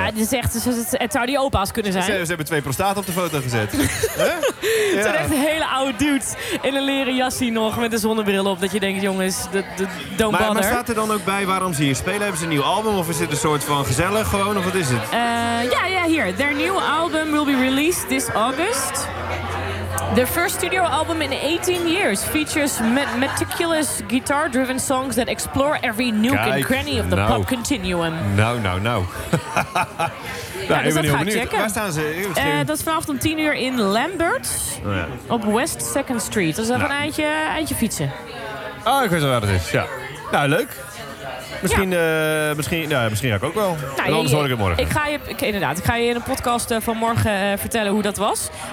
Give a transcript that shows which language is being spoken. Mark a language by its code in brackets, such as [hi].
[nl] Nou, het zou die opa's kunnen zijn. Ze hebben 2 prostaten op de foto gezet. Ja. Het zijn echt hele oude dudes. In een leren jassie nog met een zonnebril op. Dat je denkt, jongens, [en] don't bother. [nl] Maar staat er dan ook bij waarom ze hier spelen? Hebben ze een nieuw album of is dit een soort van gezellig gewoon? Of wat is het? Ja, hier. [en] Their new album will be released this August. Their first studio album in 18 years features meticulous guitar-driven songs that explore every nook and cranny of the pop continuum. No. [nl] Ja, dus dat ga ik checken. Waar staan ze? Dat is vanavond om 10 uur in Lambert. Oh, ja. Op West 2nd Street. Dat is even een eindje fietsen. Oh, ik weet wel waar dat is. Ja. Nou, leuk. Misschien ga ik ook wel. Nou, anders hoor ik het morgen. Ik ga je in een podcast van morgen vertellen hoe dat was.